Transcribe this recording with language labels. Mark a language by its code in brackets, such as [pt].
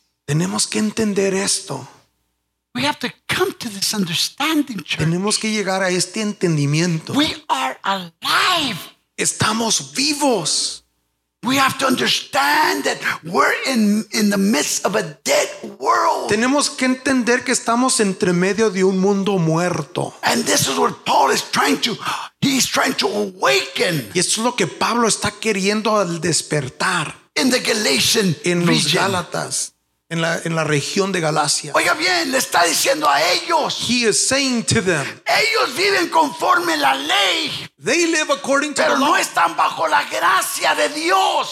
[es] Tenemos que entender esto. [en] We have to come to this understanding, church. [es] Tenemos que llegar a este entendimiento. [en] We are alive. [es] Estamos vivos. [en] We have to understand that we're in the midst of a dead world. [es] Tenemos que entender que estamos entre medio de un mundo muerto. [en] And this is what Paul is trying to, he's trying to awaken. [es] Y esto es lo que Pablo está queriendo al despertar. [en] In the Galatian [es] en los region. Gálatas. En la región de Galacia. Oiga bien, le está diciendo a ellos. [en] He is saying to them. [es] Ellos viven conforme la ley. [en] They live according to the law. [es] Pero no están bajo la gracia de Dios.